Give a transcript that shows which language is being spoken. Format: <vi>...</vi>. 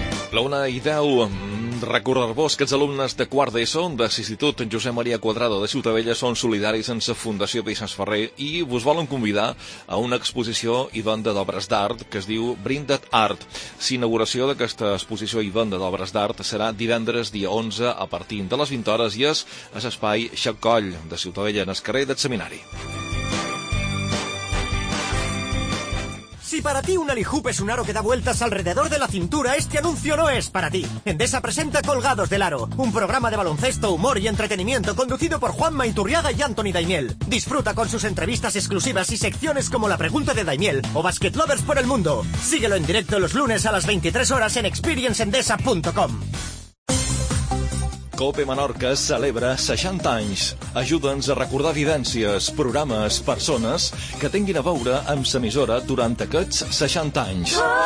<ca>La 1:10, recordar-vos que els alumnes de quart d'ESO de l'Institut Josep Maria Quadrado de Ciutadella són solidaris amb la Fundació Vicenç Ferrer i vos volen convidar a una exposició i venda d'obres d'art que es diu Brinda't Art. L'inauguració d'aquesta exposició i venda d'obres d'art serà divendres dia 11 a partir de les 20 hores i és a l'espai Xoc Coll de Ciutadella en el carrer del Seminari.</ca> <es>Si para ti un alihoop es un aro que da vueltas alrededor de la cintura, este anuncio no es para ti. Endesa presenta Colgados del Aro, un programa de baloncesto, humor y entretenimiento conducido por Juanma Iturriaga y Anthony Daimiel. Disfruta con sus entrevistas exclusivas y secciones como La Pregunta de Daimiel o Basket Lovers por el Mundo. Síguelo en directo los lunes a las 23 horas en experienceendesa.com.</es> <ca>Cope Menorca celebra 60 anys. Ajuda'ns a recordar vivències, programes, persones que tinguin a veure amb l'emissora durant aquests 60 anys.</ca>